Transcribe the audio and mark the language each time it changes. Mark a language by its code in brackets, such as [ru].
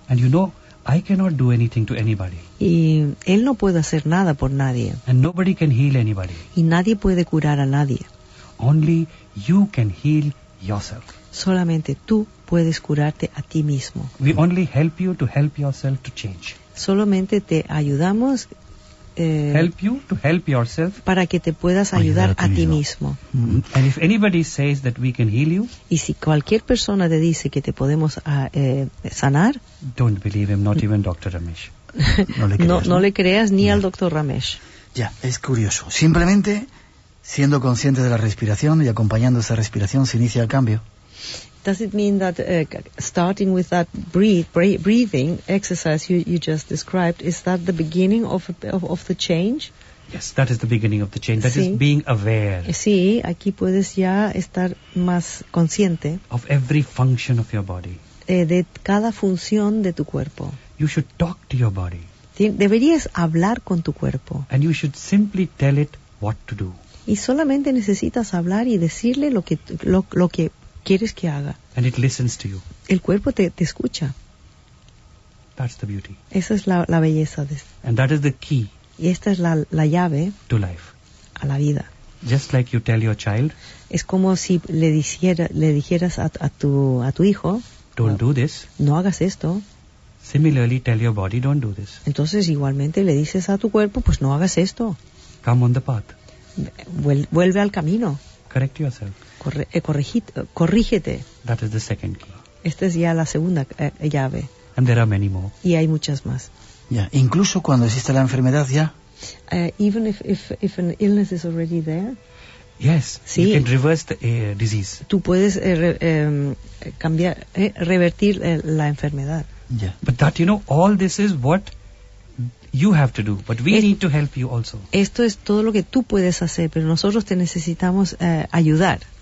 [en] And you know, I cannot do anything to anybody. [es] Y él no puede hacer nada por nadie. [en] And nobody can heal anybody. [es] Y nadie puede curar a nadie. [en] Only you can heal yourself. [es] Solamente tú puedes curarte a ti mismo. [en] We only help you to help yourself to change. [es] Solamente te ayudamos. [en] Help you to help yourself. [es] Para que te puedas ayudar a ti mismo. Mm-hmm. [en] And if anybody says that we can heal you, [es] y si cualquier persona te dice que te podemos sanar, [en] don't believe him, not even Dr. Ramesh. [es] No le creas ni al Dr. Ramesh. Ya, es curioso. Simplemente siendo consciente de la respiración y acompañando esa respiración se inicia el cambio. [en] Does it mean that starting with that breathing exercise you just described, is that the beginning of the change? Yes, that is the beginning of the change. That is being aware. [es] Sí, aquí puedes ya estar más consciente. [en] Of every function of your body. [es] De cada función de tu cuerpo. [en] You should talk to your body. [es] Deberías hablar con tu cuerpo. [en] And you should simply tell it what to do. [es] Y solamente necesitas hablar y decirle lo que quieres que haga. [en] And it listens to you. [es] El cuerpo te escucha. [en] That's the beauty. [es] Esa es la belleza de esto. [en] And that is the key. [es] Y esta es la llave [en] to life. [es] A la vida. [en] Just like you tell your child, [es] es como si le dijeras a tu hijo, [en] don't do this. [es] No hagas esto. [en] Similarly, tell your body, don't do this. [es] Entonces igualmente le dices a tu cuerpo, pues no hagas esto. [en] Come on the path. [es] Vuelve al camino. [en] Correct yourself. [es] Corrígete. [en] That is the second key. [es] Esta es ya la segunda llave. [en] And there are many more. [es] Y hay muchas más. Yeah. Incluso cuando existe la enfermedad ya. [en] Even if an illness is already there. Yes. [es] Sí. [en] You can reverse the disease. [es] Tú puedes revertir la enfermedad. [en] Yeah. But that, you know, all this is what you have to do, but we need to help you also. [es] Esto es todo lo que tú puedes hacer, pero nosotros te necesitamos ayudar.